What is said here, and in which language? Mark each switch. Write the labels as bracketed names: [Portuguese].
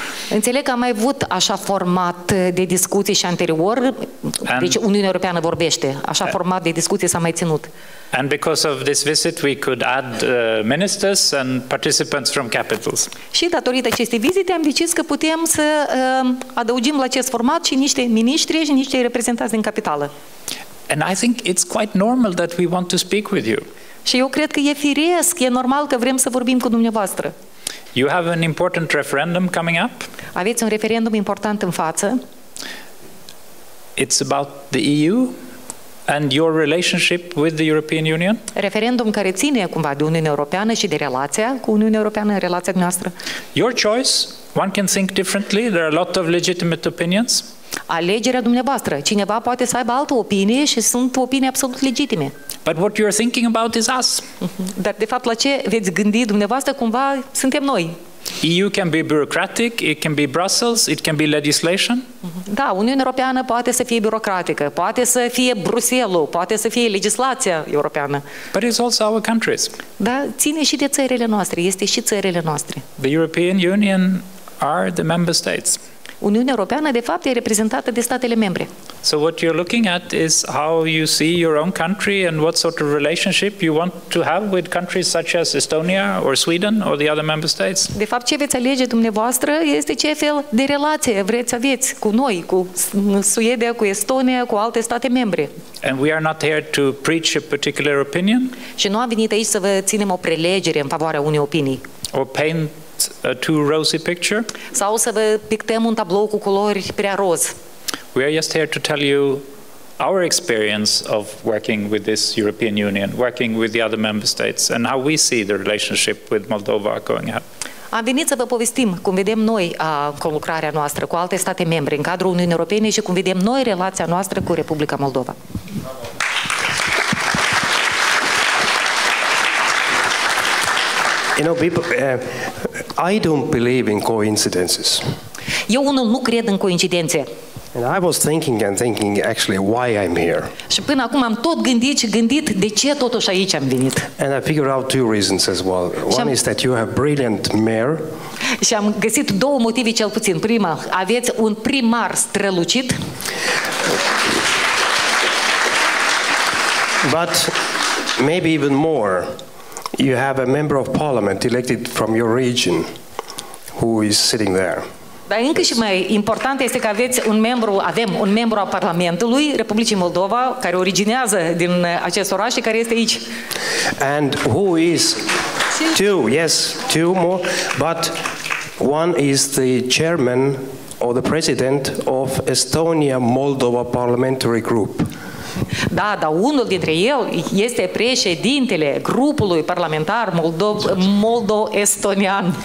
[Romanian] Înțeleg că am mai avut așa format de discuții și anterior, deci Uniunea Europeană vorbește, așa format de discuții s-a mai ținut. [English] And because of this visit we could add ministers and participants from capitals. [Romanian] Și datorită acestei vizite am decis că putem să adăugim la acest format și niște miniștri și niște reprezentanți din capitală. [English] And I think it's quite normal that we want to speak with you. [Romanian] Și eu cred că e firesc, e normal că vrem să vorbim cu dumneavoastră. [English] You have an important referendum coming up. [Romanian] Aveți un referendum important în față. [English] It's about the EU and your relationship with the European Union. [Romanian] Referendum care ține cumva de Uniunea Europeană și de relația cu Uniunea Europeană, relația noastră. [English] Your choice. One can think differently. There are a lot of legitimate opinions. [Romanian] Alegerea dumneavoastră. Cineva poate să aibă altă opinie și sunt opinii absolut legitime. [English] But what you're thinking about is us. [Romanian] Dar de fapt la ce veți gândi dumneavoastră cumva suntem noi. [English] EU can be bureaucratic, it can be Brussels, it can be legislation. [Romanian] Da, Uniunea Europeană poate să fie birocratică, poate să fie Bruselul, poate să fie legislația europeană. [English] But it's also our countries. [Romanian] Da, ține și de țările noastre, este și țările noastre. [English] The European Union are the member states. [Romanian] Uniunea Europeană de fapt e reprezentată de statele membre. [English] So what you're looking at is how you see your own country and what sort of relationship you want to have with countries such as Estonia or Sweden or the other member states. [Romanian] De fapt ce veți alege dumneavoastră este ce fel de relație vreți să aveți cu noi, cu Suedia, cu Estonia, cu alte state membre. [English] And we are not here to preach a particular opinion. [Romanian] Și nu am venit aici să vă ținem o prelegere în favoarea unei opinii. [English] Or paint a too rosy picture. [Romanian] Sau să vă pictăm un tablou cu culori prea roz. [English] We are just here to tell you our experience of working with this European Union, working with the other member states and how we see the relationship with Moldova going ahead. [Romanian] Am venit să vă povestim cum vedem noi conlucrarea noastră cu alte state membre în cadrul Uniunii Europene și cum vedem noi relația noastră cu Republica Moldova. [English] You know, people, I don't believe in coincidences. [Romanian] Eu unul nu cred în coincidențe. [English] And I was thinking and thinking actually why I'm here. [Romanian] Și până acum am tot gândit și gândit de ce totuși aici am venit. [English] And I figured out two reasons as well. One is that you have brilliant mayor. [Romanian] Și am găsit două motive cel puțin. Prima, aveți un primar strălucit. [English] But maybe even more. You have a member of parliament elected from your region who is sitting there. [Romanian] Dar încă și mai important este că aveți un membru, avem un membru al Parlamentului Republicii Moldova care originează din acest oraș și care este aici. [English] And who is two, yes, two more, but one is the chairman or the president of Estonia Moldova Parliamentary Group. [Romanian] Da, dar unul dintre el este președintele grupului parlamentar moldo-estonian.